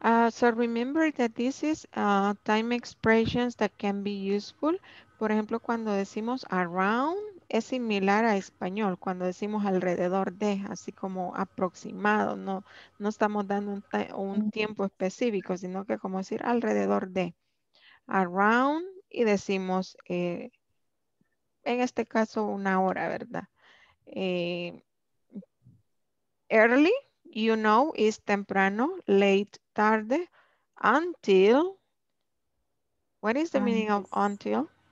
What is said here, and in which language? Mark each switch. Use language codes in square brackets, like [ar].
[en] So remember that this is time expressions that can be useful. [es] Por ejemplo, cuando decimos around, es similar a español. Cuando decimos alrededor de, así como aproximado, no estamos dando un tiempo específico, sino que como decir alrededor de, around, y decimos, en este caso, una hora, ¿verdad? [en] Early, you know, is temprano, late, tarde, until, what is the meaning of until?